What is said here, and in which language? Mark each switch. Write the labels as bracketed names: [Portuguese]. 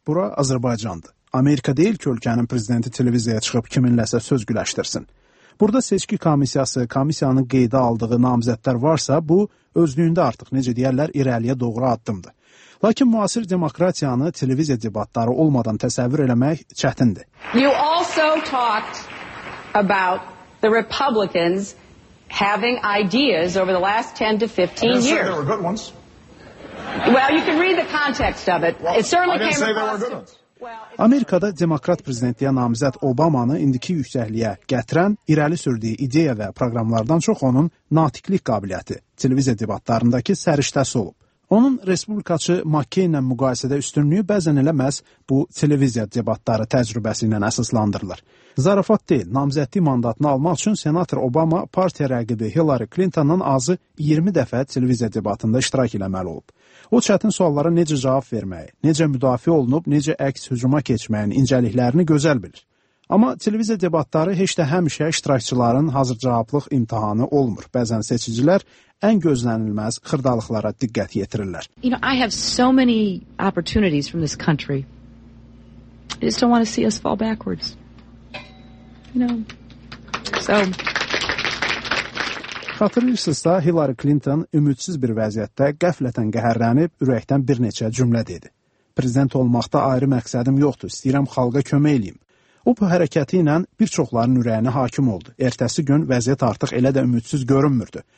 [Azerbaijani] Bura Azərbaycandır. Amerika deyil ki, ölkənin prezidenti televiziyaya çıxıb kiminləsə söz güləşdirsin. Burada seçki komissiyası, komissiyanın qeydə aldığı namizədlər varsa, bu özlüyündə artıq necə deyərlər irəliyə doğru addımdır. Lakin müasir demokratiyanı televiziya debatları olmadan təsəvvür eləmək çətindir. [English] You also talked about the Republicans having ideas over the last 10 to 15 years. There were good ones. Well, you can read the context of it. It certainly came across. [Azerbaijani] Amerikada demokrat prezidentliyə namizəd Obamanı indiki yüksəkliyə gətirən irəli sürdüyü ideya və proqramlardan çox onun natiqlik qabiliyyəti televiziya debatlarındakı səriştəsi olub. Onun respublikaçı McCain-lə müqayisədə üstünlüyü bəzən elə məhz bu televiziya debatları təcrübəsi ilə əsaslandırılır. Zarafat deyil, namizədliyi mandatını almaq üçün senator Obama partiya rəqibi Hillary Clinton-ın azı 20 dəfə televiziya debatında iştirak eləməli olub. O çətin suallara necə cavab verməyi, necə müdafiə olunub, necə əks hücuma keçməyin incəliklərini gözəl bilir. Amma televiziya debatları heç də həmişə iştirakçıların hazır cavablıq imtihanı olmur. Bəzən seçicilər ən gözlənilməz xırdalıqlara diqqət yetirirlər. [English] You know, I have so many opportunities from this country. I just don't want to see us fall backwards. [Azerbaijani] Xatırlayırsınızsa, Hillary Clinton ümidsiz bir vəziyyətdə qəflətən qəhərlənib ürəkdən bir neçə cümlə dedi. Prezident olmaqda ayrı məqsədim yoxdur, istəyirəm xalqa kömək eləyim. O bu hərəkəti ilə bir çoxların ürəyinə hakim oldu. Ertəsi gün vəziyyət artıq elə də ümidsiz görünmürdü.